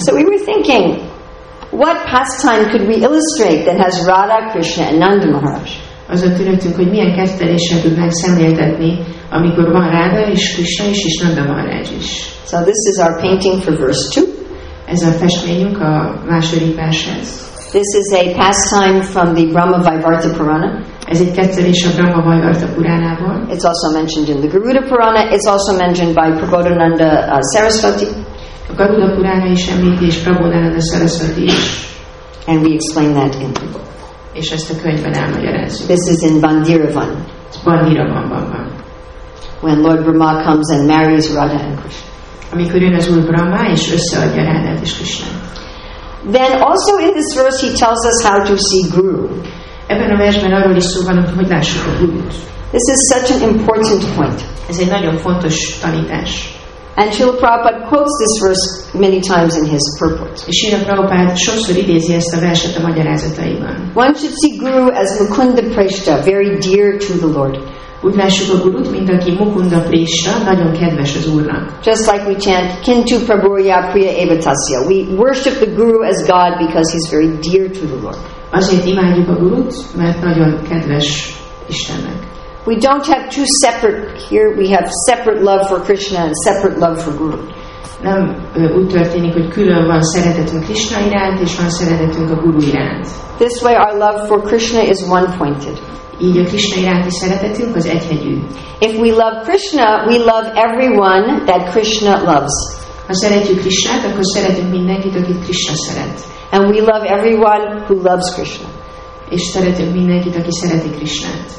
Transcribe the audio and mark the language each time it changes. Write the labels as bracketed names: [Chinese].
[English] So we were thinking, what pastime could we illustrate that has Radha, Krishna and Nanda Maharaj? [Hungarian] Azon tűnöttünk, hogy milyen kettelésen tudnánk szemléltetni, amikor van Radha és Krishna is, és Nanda Maharaj is. [English] So this is our painting for verse 2. [Hungarian] Ez a festményünk a második vershez. [English] This is a pastime from the Brahma Vaivarta Purana. [Hungarian] Ez egy kettelés a Brahma Vaivarta Puranában. [English] It's also mentioned in the Garuda Purana. It's also mentioned by Prabodhananda Sarasvati. [Hungarian] A Garuda Purana is említi, és Prabodhananda Sarasvati is. [English] And we explain that in the book. [Hungarian] És ezt a könyvben elmagyarázzuk. [English] This is in Bandhiravan. [Hungarian] Bandhiravanban. [English] When Lord Brahma comes and marries Radha and Krishna. [Hungarian] Amikor jön az Úr Brahma, és összeadja Radhát és Krishna. [English] Then also in this verse he tells us how to see Guru. [Hungarian] Ebben a versben arról is szó van, hogy lássuk a Gurut. [English] This is such an important point. [Hungarian] Ez egy nagyon fontos tanítás. [English] And Srila Prabhupada quotes this verse many times in his purport. [Hungarian] Srila Prabhupada sokszor idézi ezt a verset a magyarázataiban. [English] One should see Guru as Mukunda Preshta, very dear to the Lord. [Hungarian] Úgy lássuk a gurut, mint aki Mukunda Prisha, nagyon kedves az Úrnak. [English] Just like we chant [Sanskrit] Kintu Prabhurya Priya Evatasya. [English] We worship the guru as God because he's very dear to the Lord. [Hungarian] Azért imádjuk a gurut, mert nagyon kedves Istennek. [English] We don't have two separate, here we have separate love for Krishna and separate love for guru. [Hungarian] Nem úgy történik, hogy külön van szeretetünk Krishna iránt, és van szeretetünk a guru iránt. [English] This way our love for Krishna is one-pointed. [Hungarian] Így a Krishna iránti szeretetünk az egyhegyű. [English] If we love Krishna, we love everyone that Krishna loves. [Hungarian] Ha szeretjük Krishnát, akkor szeretünk mindenkit, akit Krishna szeret. [English] And we love everyone who loves Krishna. [Hungarian] És szeretünk mindenkit, aki szereti Krishnát.